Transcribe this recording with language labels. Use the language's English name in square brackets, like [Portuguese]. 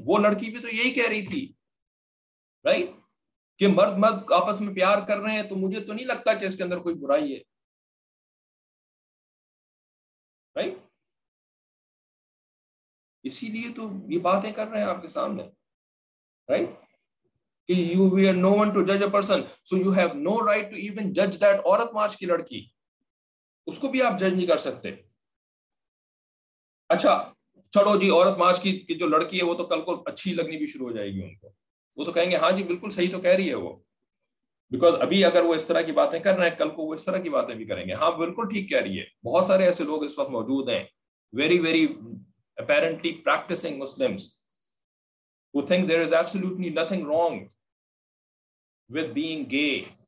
[Urdu] وہ لڑکی بھی تو یہی کہہ رہی تھی right? کہ مرد مرد آپس میں پیار کر رہے ہیں تو مجھے تو نہیں لگتا کہ اس کے اندر کوئی برائی ہے right? اسی لیے تو یہ باتیں کر رہے ہیں آپ کے سامنے right? کہ [English] you are no one to judge a person so you have no right to even judge that [Urdu] عورت مارچ کی لڑکی، اس کو بھی آپ جج نہیں کر سکتے. اچھا چلو جی، عورت معاش کی جو لڑکی ہے وہ تو کل کو اچھی لگنی بھی شروع ہو جائے گی ان کو، وہ تو کہیں گے ہاں جی بالکل صحیح تو کہہ رہی ہے وہ، بیکاز ابھی اگر وہ اس طرح کی باتیں کر رہے ہیں کل کو وہ اس طرح کی باتیں بھی کریں گے. ہاں بالکل ٹھیک کہہ رہی ہے. بہت سارے ایسے لوگ اس وقت موجود ہیں، [English] Very very apparently practising Muslims who think there is absolutely nothing wrong with being gay.